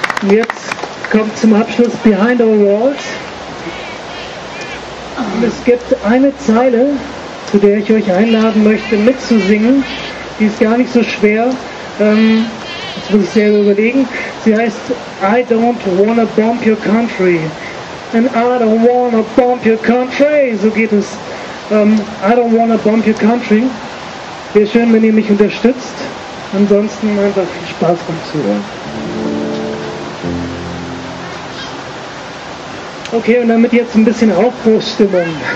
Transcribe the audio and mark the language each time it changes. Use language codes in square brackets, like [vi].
[de] Jetzt kommt zum Abschluss Behind Our Walls. Und es gibt eine Zeile, zu der ich euch einladen möchte, mitzusingen. Die ist gar nicht so schwer. Jetzt muss ich selber überlegen. Sie heißt [en] I don't wanna bomb your country. And I don't wanna bomb your country. [de] So geht es. [en] I don't wanna bomb your country. [de] Wäre schön, wenn ihr mich unterstützt. Ansonsten einfach viel Spaß beim Zuhören. Okay, und damit jetzt ein bisschen Aufbruchsstimmung.